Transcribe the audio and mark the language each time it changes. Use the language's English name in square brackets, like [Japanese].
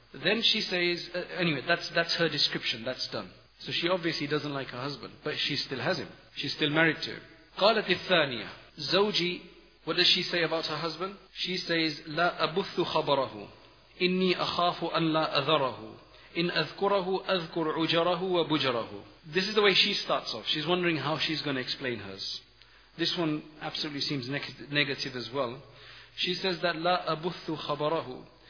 [English] Then she says, anyway, that's her description, that's done. So she obviously doesn't like her husband, but she still has him. She's still married to him. [Arabic] قالت الثانية, زوجي, [English] what does she say about her husband? She says, [Arabic] لا أبث خبره, إني أخاف أن لا أذره, إن أذكره أذكر عجره وبجره. [English] This is the way she starts off. She's wondering how she's going to explain hers. This one absolutely seems negative as well. She says that [Arabic] لا أبث خبره.